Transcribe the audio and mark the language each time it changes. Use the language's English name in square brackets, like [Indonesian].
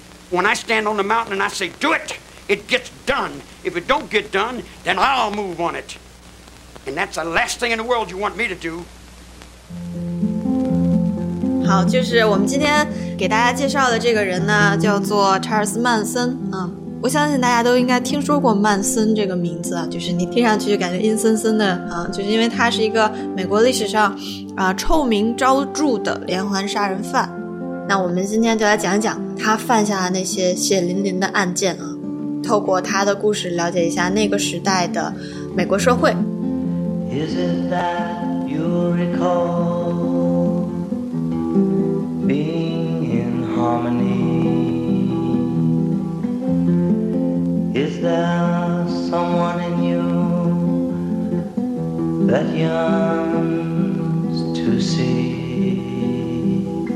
[English] When I stand on the mountain and I say, do it, it gets done. If it don't get done, then I'll move on it. And that's the last thing in the world you want me to do. [Chinese] 好，就是我们今天给大家介绍的这个人呢，叫做查尔斯·曼森。我相信大家都应该听说过曼森这个名字，就是你听上去就感觉阴森森的，就是因为他是一个美国历史上臭名昭著的连环杀人犯。那我们今天就来讲一讲他犯下的那些血淋淋的案件啊，透过他的故事了解一下那个时代的美国社会。 [English] Isn't that you recall being in harmony? Is there someone in you that yearns to see?